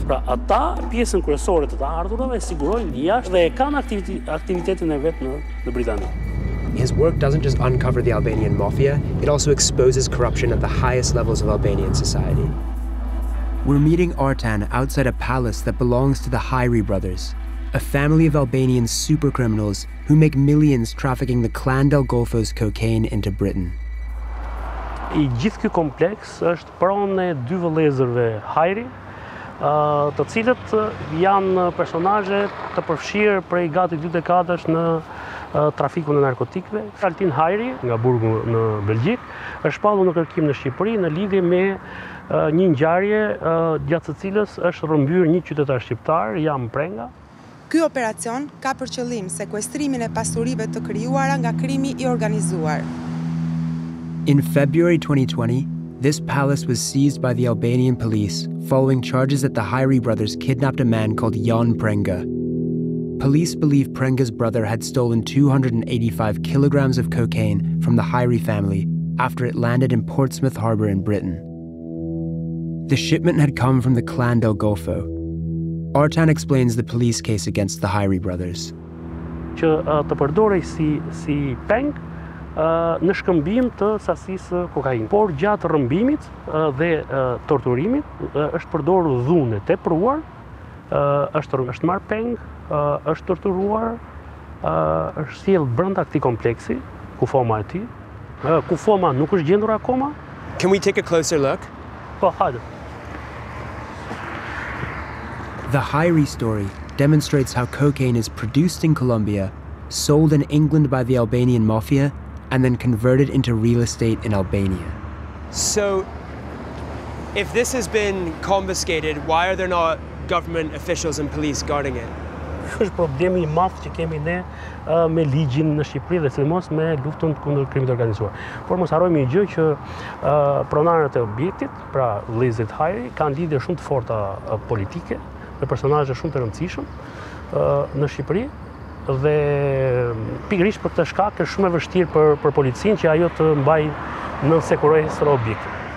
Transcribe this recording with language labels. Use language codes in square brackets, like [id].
[sq] Pra ata pjesën kryesore të ardhurave sigurojnë jashtë dhe kanë aktivitetin e vet në Britani. [en] His work doesn't just uncover the Albanian mafia, it also exposes corruption at the highest levels of Albanian society. We're meeting Artan outside a palace that belongs to the Hajri brothers, a family of Albanian super criminals who make millions trafficking the Clan del Golfo's cocaine into Britain. [sq] I gjithë ky kompleks është pronë e dy vëllezërve Hajri, të cilët janë personazhe të përfshirë prej gati dy dekadash në trafikun e narkotikëve. Altin Hajri nga burgu në Belgjik është pallur në kërkim në Shqipëri në lidhje me një ngjarje gjatë së cilës është rrëmbyer një qytetar shqiptar, jam prenga. Ky operacion ka për qëllim sekuestrimin e pasurive të krijuara nga krimi i organizuar. [en] In February 2020, this palace was seized by the Albanian police following charges that the Hajri brothers kidnapped a man called Jan Prenga. Police believe Prenga's brother had stolen 285 kilograms of cocaine from the Hajri family after it landed in Portsmouth Harbor in Britain. The shipment had come from the Clan del Golfo. Artan explains the police case against the Hajri brothers. [sq] Të përdorej si peng në shkëmbim të sasisë kokainë. Por gjatë rrëmbimit dhe torturimit është përdorur dhunë të epruar, është marrë peng, është torturuar, është sjellë brenda këtij kompleksi, kufoma e tij. Kufoma nuk është gjendur akoma. [en] Can we take a closer look? [sq] Po, hajde. [en] The Hajri story demonstrates how cocaine is produced in Colombia, sold in England by the Albanian mafia, and then converted into real estate in Albania. So, if this has been confiscated, why are there not government officials and police guarding it? [sq] Është problemi i madh që kemi ne me ligjin në Shqipëri dhe sidomos me luftën kundër krimit organizuar. Por mos harrojmë një gjë që pronarët e objektit, pra vëllezërit Hajri, kanë lidhje shumë të forta politike me personazhe shumë të rëndësishëm në Shqipëri dhe pikërisht për këtë shkak është shumë e vështirë për policinë që ajo të mbaj në sekurojë së objektit.